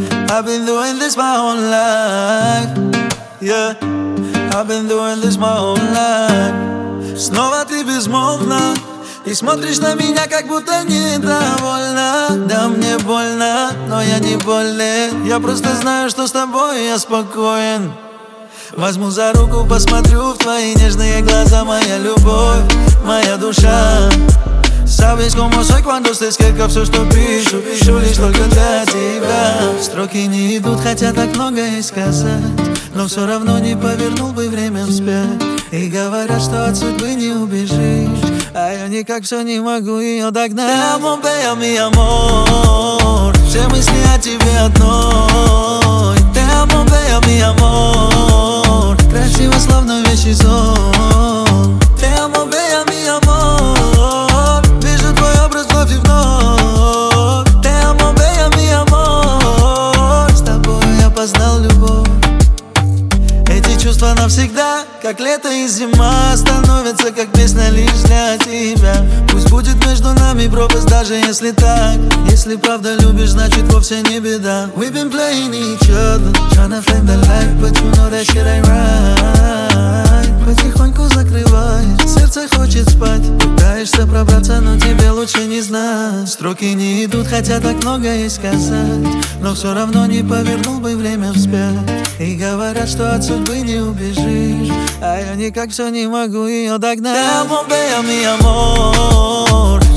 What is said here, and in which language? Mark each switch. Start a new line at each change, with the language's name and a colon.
English: I've been doing this my whole life. Yeah, I've been doing this my whole life.
Russian: Снова ты безмолвна и смотришь на меня, как будто недовольна. Да мне больно, но я не болен. Я просто знаю, что с тобой я спокоен. Возьму за руку, посмотрю в твои нежные глаза. Моя любовь, моя душа.
Spanish: Sabes cómo soy cuando se escapa
Russian: все, что пишу. Пишу лишь только для тебя. Строки не идут, хотя так многое сказать. Но все равно не повернул бы время вспять. И говорят, что от судьбы не убежишь. А я никак все не могу ее догнать.
Spanish: Te amo, bella, mi amor.
Russian: Все мысли о тебе одной.
Spanish: Te amo, bella, mi amor.
Russian: Красиво, словно вещь и сон.
Spanish: Te amo, bella, mi amor.
Russian: Вижу твой образ вновь и вновь.
Spanish: Te amo, bella, mi amor.
Russian: С тобой я познал любовь. Эти чувства навсегда. Как лето и зима становится, как песня лишь для тебя. Пусть будет между нами пропасть, даже если так. Если правда любишь, значит вовсе не беда.
English: We've been playing each other, tryna find the light. But you know that shit I write.
Russian: Потихоньку закрываешь, сердце хочет спать. Пытаешься пробраться, но тебе лучше не знать. Строки не идут, хотя так многое сказать. Но все равно не повернул бы время вспять. И говорят, что от судьбы не убежишь. А я никак все не могу ее догнать.
Spanish: Te amo, bella, mi amor.